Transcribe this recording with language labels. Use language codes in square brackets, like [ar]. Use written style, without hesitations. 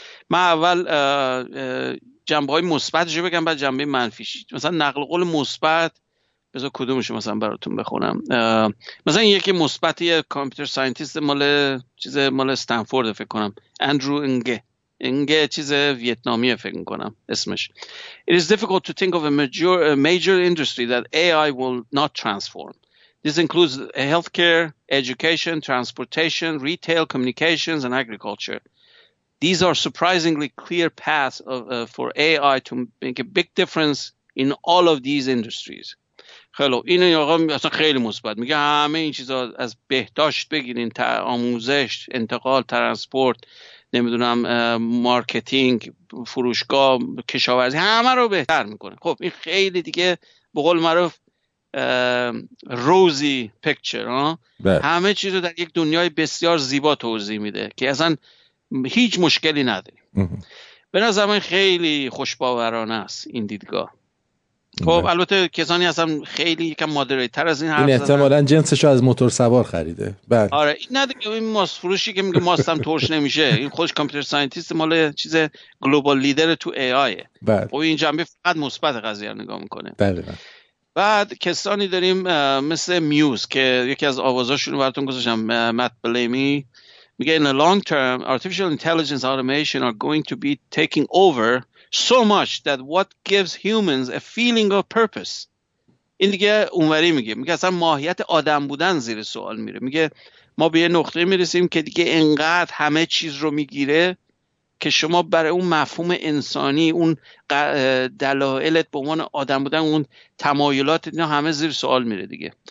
[fa] من اول جنبه های مثبتش رو بگم بعد جنبه منفیش. مثلا نقل قول مثبت بذار کدومش مثلا براتون بخونم. مثلا یکی مثبت یه کامپیوتر ساینتیست مال استنفورد فکر کنم، اندرو انگه چیز ویتنامیه فکر میکنم اسمش. [en] It is difficult to think of a major industry that AI will not transform. This includes healthcare, education, transportation, retail, communications and agriculture. These are surprisingly clear paths for AI to make a big difference in all of these industries. [fa] خیلو این آقا اصلا خیلی مثبت میگه همه این چیزا از بهداشت بگیرین تا آموزش، انتقال، ترانسپورت، نمیدونم مارکتینگ، فروشگاه، کشاورزی، همه رو بهتر میکنه. خب این خیلی دیگه به قول معروف روزی پیکچر همه چیز رو در یک دنیای بسیار زیبا توضیح میده که اصلا هیچ مشکلی نداریم. به نظر من خیلی خوشباورانه است این دیدگاه. خب البته کسانی هستم خیلی یکم مادرهی تر از این حرف زدن، این احتمالاً جنسشو از موتور سوار خریده. آره این نده این ماست فروشی که میگه ماستم ترش نمیشه، این خودش کامپیوتر ساینتیست مال چیز گلوبال لیدر تو ای آیه. خب این جنبه فقط مثبت قضیه رو نگاه میکنه. بعد کسانی داریم مثل میوز که یکی از آوازاشون رو براتون گذاشتم، مت بلیمی میگه [en] in the long term artificial intelligence automation are going to be taking over so much that what gives humans a feeling of purpose. [fa] این دیگه اونوری میگه، میگه اصلا ماهیت آدم بودن زیر سوال میره، میگه ما به یه نقطه میرسیم که دیگه انقدر همه چیز رو میگیره که شما برای اون مفهوم انسانی، اون دلائلت به عنوان آدم بودن، اون تمایلات اینا همه زیر سوال میره دیگه.